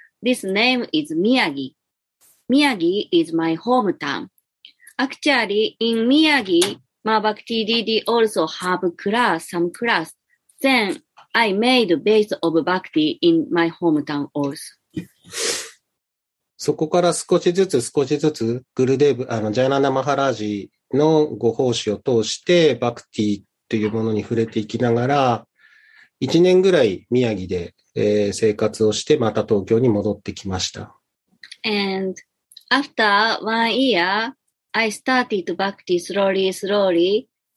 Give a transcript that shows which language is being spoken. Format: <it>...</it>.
<en>This name is Miyagi. Miyagi is my hometown. Actually, in Miyagi,Ma Bhakti Didi also have class, some class. Then I made base of Bhakti in my hometown also.</en> <ja>そこから少しずつ少しずつグルデーブ、ジャイナンダ・マハラージのご奉仕を通してバクティというものに触れていきながら、1年ぐらい宮城で、生活をしてまた東京に戻ってきました。</ja> <en>And after 1 year,I started Bhakti slowly, slowly.</en>